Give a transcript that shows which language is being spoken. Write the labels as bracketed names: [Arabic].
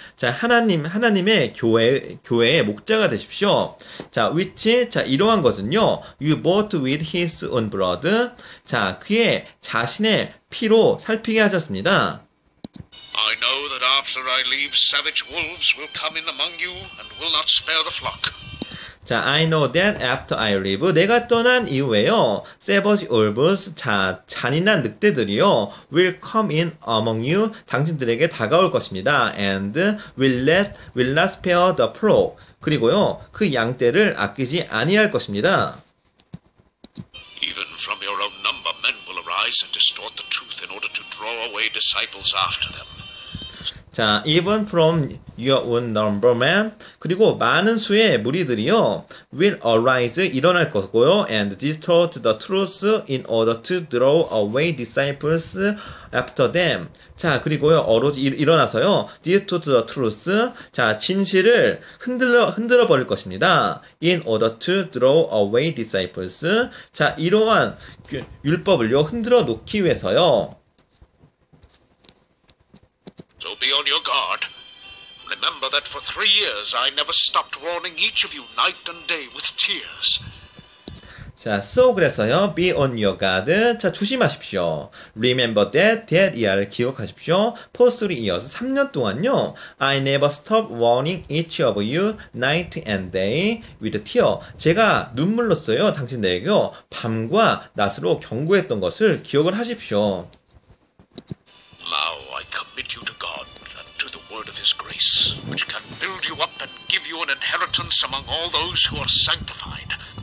[Korean] 자, 하나님의 교회의 목자가 되십시오. [English] 자, which [Korean] 이러한 것은요. [English] You bought with his own blood. [Korean] 자, 그의 자신의 피로 살피게 하셨습니다. [English] I know that after I leave, savage wolves will come in among you and will not spare the flock. 자, I know that after I leave, [Korean] 내가 떠난 이후에요, [English] savage wolves, [Korean] 잔인한 늑대들이요, [English] will come in among you, [Korean] 당신들에게 다가올 것입니다. [English] And will not spare the flock. [Korean] 그리고요, 그 양떼를 아끼지 아니할 것입니다. [English] Even from your own number, men will arise and distort the truth in order to draw away disciples after them. 자, even from your own number, man. [Korean] 그리고 많은 수의 무리들이요, [English] will arise, [Korean] 일어날 거고요, [English] and distort the truth in order to draw away disciples after them. [Korean] 자, 그리고요, 일어나서요, [English] distort the truth. [Korean] 자, 진실을 흔들어 버릴 것입니다. [English] In order to draw away disciples. 자, [Korean] 이러한 율법을요, 흔들어 놓기 위해서요, [English] So be on your guard. Remember that for 3 years I never stopped warning each of you night and day with tears. 자, so [Korean] 그래서요. [English] Be on your guard. 자, [Korean] 조심하십시오. [English] Remember that, that [Korean] 이하를 기억하십시오. [English] For 3 years, [Korean] 3년 동안요. [English] I never stop warning each of you night and day with a tear. [Korean] 제가 눈물로써요. 당신들에게 밤과 낮으로 경고했던 것을 기억을 하십시오. [English] Now I commit you to God and to the word of His grace, which can build you up and give you an inheritance among all those who are sanctified.